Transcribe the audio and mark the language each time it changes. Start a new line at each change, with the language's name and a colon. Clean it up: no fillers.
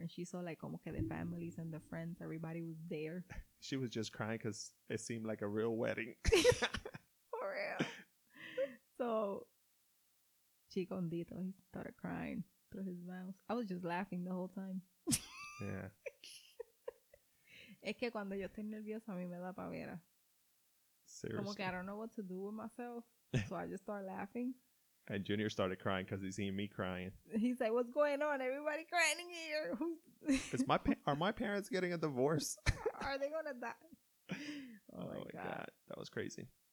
English: And she saw like
Spanish: como que
English: the families and the friends. Everybody was there. She was just crying because it seemed like a real wedding. For real. So, Chicondito, he started crying through his mouth. I was just laughing the whole time. Yeah.
Spanish: Es que cuando yo estoy nerviosa, a mí me da pavera.
English: Seriously.
Spanish: Como que
English: I don't know what to do with myself. So I just start laughing. And Junior started crying because he's seen me crying. He's like, what's going on? Everybody crying in here. Are my parents getting a divorce? Are they going to die? Oh my God. That was crazy.